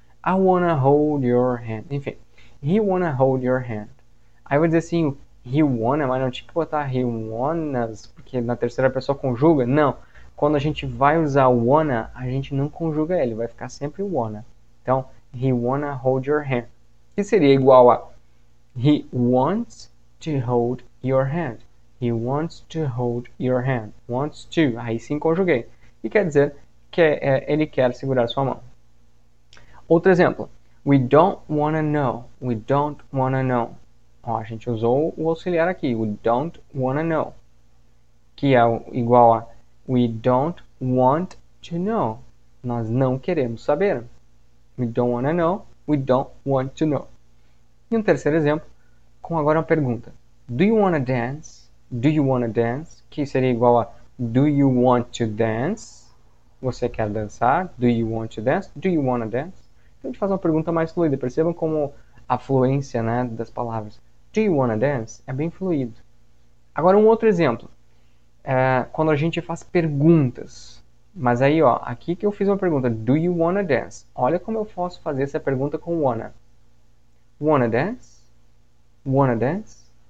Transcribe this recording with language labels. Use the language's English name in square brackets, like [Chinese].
[English] I wanna hold your hand. Enfim, he wanna hold your hand. [Portuguese] Aí eu vou dizer assim, [English] he wanna, [Portuguese] mas não tinha que botar he wannas, porque na terceira pessoa conjuga. Não. Quando a gente vai usar o wanna, a gente não conjuga ele, vai ficar sempre o wanna. [English] Então, he wanna hold your hand. [Portuguese] Que seria igual a [English] he wants to hold your hand. He wants to hold your hand. Wants to. [Portuguese] Aí sim conjuguei. E quer dizer que ele quer segurar sua mão. Outro exemplo. [English] We don't wanna know. We don't wanna know. [Portuguese] Ó, a gente usou o auxiliar aqui. [English] We don't wanna know. [Portuguese] Que é igual a [English] we don't want to know. [Portuguese] Nós não queremos saber. [English] We don't wanna know. We don't want to know. [Portuguese] E um terceiro exemplo, com agora uma pergunta. [English] Do you wanna dance? Do you wanna dance? [Portuguese] Que seria igual a [English] Do you want to dance? [Portuguese] Você quer dançar? [English] Do you want to dance? Do you wanna dance? [Portuguese] Então a gente faz uma pergunta mais fluida. Percebam como a fluência, né, das palavras. [English] Do you wanna dance? [Portuguese] É bem fluido. Agora um outro exemplo. É quando a gente faz perguntas. Mas aí, ó, aqui que eu fiz uma pergunta. [English] Do you wanna dance? [Portuguese] Olha como eu posso fazer essa pergunta com wanna. [English] Wanna dance? Wanna dance?